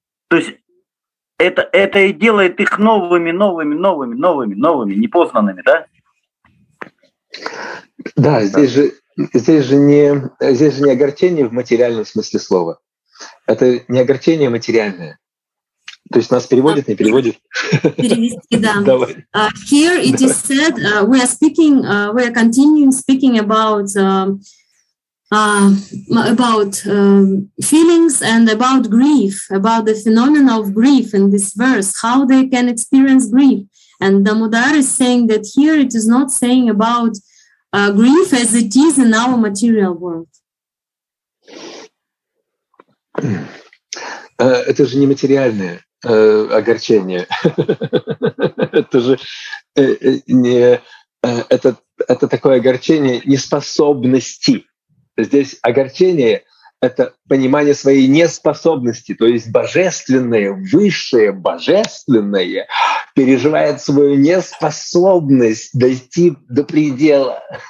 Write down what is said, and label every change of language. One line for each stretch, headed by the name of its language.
Russian: То есть это и делает их новыми, непознанными, да? Да, здесь же. Здесь же не огорчение в материальном смысле слова. Это не огорчение материальное. То есть нас переводит, не переводит. Перевести, да.
English: Here it is said, we are speaking, we are continuing speaking about feelings and about grief, about the phenomenon of grief in this verse, how they can experience grief. And Damodar is saying that here it is not saying about grief as it is in our material world.
Russian: Это же не материальное огорчение. Это же не... Это такое огорчение неспособности. Здесь огорчение — это понимание своей неспособности, то есть божественное, высшее божественное переживает свою неспособность дойти до предела.